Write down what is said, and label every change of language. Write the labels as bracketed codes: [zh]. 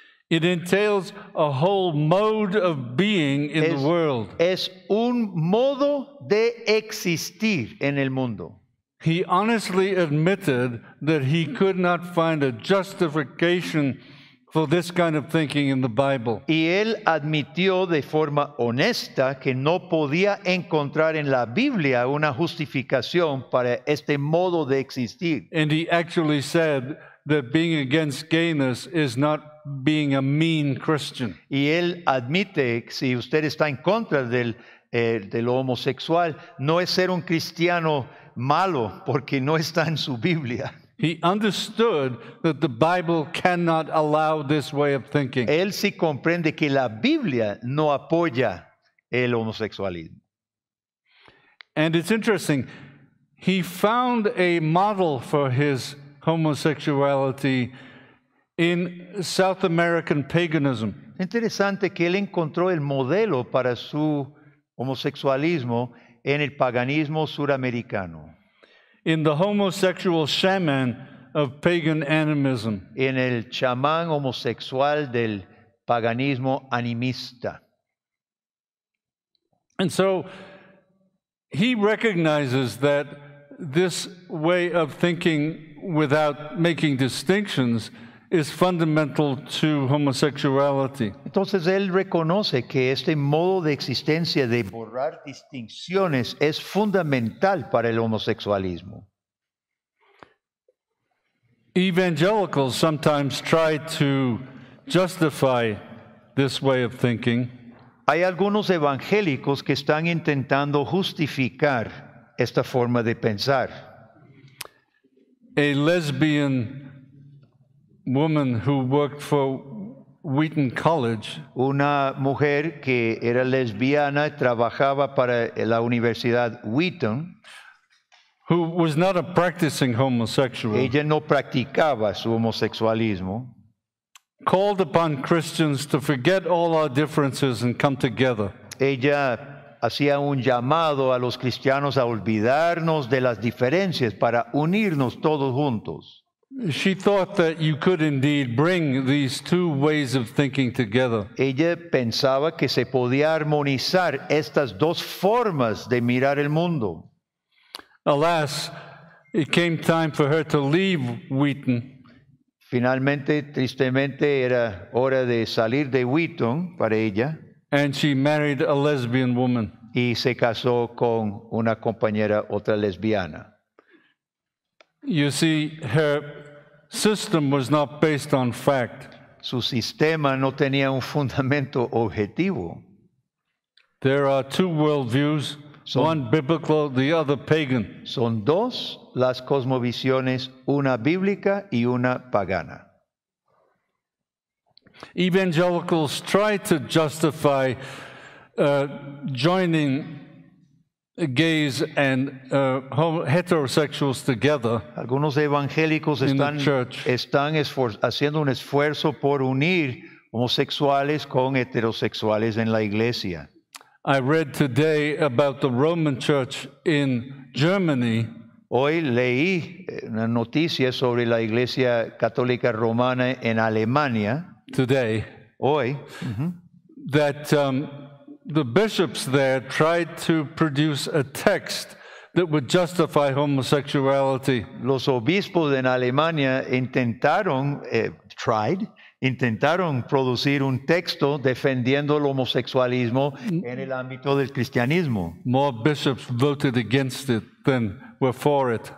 [en] It entails a whole mode of being in the world. [es] Es un modo de existir en el mundo. [en] He honestly admitted that he could not find a justification for this kind of thinking in the Bible. [es] Y él admitió de forma honesta que no podía encontrar en la Biblia una justificación para este modo de existir. [en] And he actually said that being against gayness is not being a mean Christian. [es] Y él admite que si usted está en contra de lo homosexual, no es ser un cristiano malo porque no está en su Biblia. [en] He understood that the Bible cannot allow this way of thinking. [es] Él sí comprende que la Biblia no apoya el homosexualismo. [en] And it's interesting, he found a model for his homosexuality in South American paganism. [es] Interesante que él encontró el modelo para su homosexualismo en el paganismo suramericano. [en] In the homosexual shaman of pagan animism. [es] En el chamán homosexual del paganismo animista. [en] And so he recognizes that this way of thinking without making distinctions is fundamental to homosexuality. [es] Entonces él reconoce que este modo de existencia de borrar distinciones es fundamental para el homosexualismo. [en] Evangelicals sometimes try to justify this way of thinking. [es] Hay algunos evangélicos que están intentando justificar esta forma de pensar. [en] A lesbian woman who worked for Wheaton College. [es] Una mujer que era lesbiana trabajaba para la Universidad Wheaton. [en] Who was not a practicing homosexual. [es] Ella no practicaba su homosexualismo. [en] Called upon Christians to forget all our differences and come together. [es] Ella hacía un llamado a los cristianos a olvidarnos de las diferencias para unirnos todos juntos. [en] She thought that you could indeed bring these two ways of thinking together. [es] Ella pensaba que se podía armonizar estas dos formas de mirar el mundo. [en] Alas, it came time for her to leave Wheaton. [es] Finalmente, tristemente, era hora de salir de Wheaton para ella. [en] And she married a lesbian woman. [es] Y se casó con una compañera, otra lesbiana. [en] You see, her system was not based on fact. [es] Su sistema no tenía un fundamento objetivo. [en] There are two worldviews, one biblical, the other pagan. [es] Son dos las cosmovisiones, una bíblica y una pagana. [en] Evangelicals try to justify joining gays and heterosexuals together. [es] Algunos evangélicos están haciendo un esfuerzo por unir homosexuales con heterosexuales en la iglesia. [en] I read today about the Roman Church in Germany. [es] Hoy leí una noticia sobre la Iglesia Católica Romana en Alemania. [en] Today. [es] Hoy. [en] That the bishops there tried to produce a text that would justify homosexuality. [es] Los obispos en Alemania intentaron producir un texto defendiendo el homosexualismo en el ámbito del cristianismo. [en] More bishops voted against it than were for it.